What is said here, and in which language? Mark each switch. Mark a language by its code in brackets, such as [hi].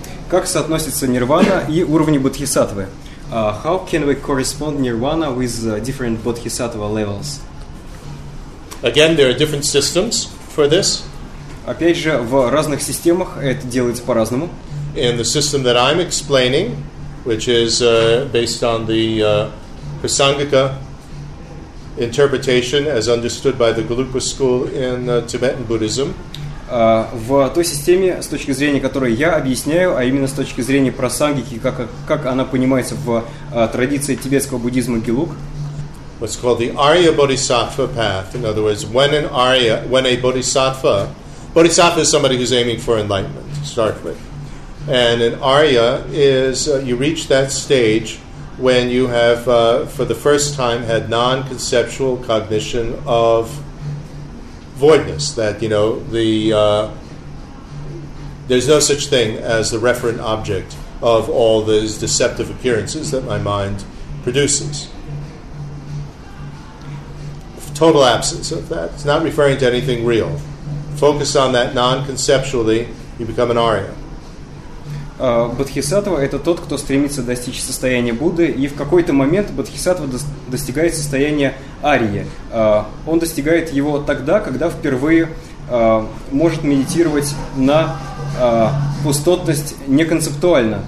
[ru] Как соотносится нирвана и уровни бодхисаттвы? [en] How can we correspond nirvana with different bodhisattva levels? Again, there are different systems for this. [ru] Опять же, в разных системах это делается по-разному. [en] In the system that I'm explaining, which is based on the prasangika interpretation as understood by the Gelugpa school in Tibetan Buddhism. [ru] В той системе, с точки зрения которой я объясняю, а именно с точки зрения просангики, как она понимается в традиции тибетского буддизма Гелуг. [en] What's called the Arya Bodhisattva path. In other words, when an Arya, when a Bodhisattva, Bodhisattva is somebody who's aiming for enlightenment, to start with. And an Arya is, you reach that stage when you have, for the first time, had non-conceptual cognition of voidness, that, you know, the there's no such thing as the referent object of all those deceptive appearances that my mind produces. Total absence of that. It's not referring to anything real. Focus on that non-conceptually, you become an Arya. [ru] Бодхисаттва – это тот, кто стремится достичь состояния Будды, и в какой-то момент бодхисаттва достигает состояния Арии. Он достигает его тогда, когда впервые может медитировать на пустотность неконцептуально.